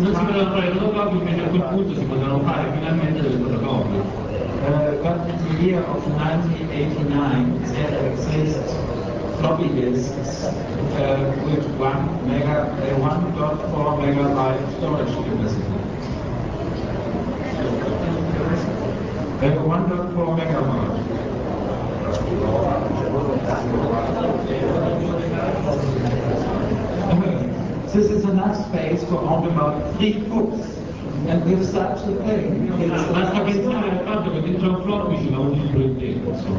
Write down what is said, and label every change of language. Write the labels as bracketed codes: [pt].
[it] non si potevano fare le fotocopie, perché a quel punto si potevano fare finalmente delle fotocopie. [en] But in the year of 1989, there exists floppy disks with 1.4 megabyte storage capacity. 1.4 megabyte. This is enough space for only about 3 books. And we've started to pay. [it] Basta pensare al fatto che dentro un floppy ci va un libro intero.